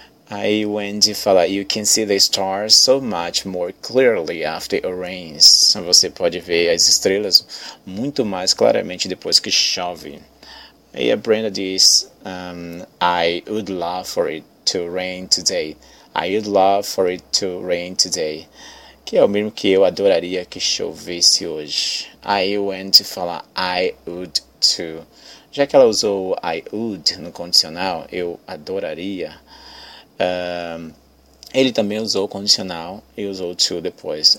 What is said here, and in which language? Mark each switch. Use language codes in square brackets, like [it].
[pt] Aí o Andy fala, [en] you can see the stars so much more clearly after it rains. [pt] Você pode ver as estrelas muito mais claramente depois que chove. Aí a Brenda diz, [en] I would love for it to rain today. I would love for it to rain today. [pt] Que é o mesmo que eu adoraria que chovesse hoje. Aí o Andy fala, [en] I would too. [pt] Já que ela usou I would no condicional, eu adoraria. Ele também usou o condicional e usou to depois.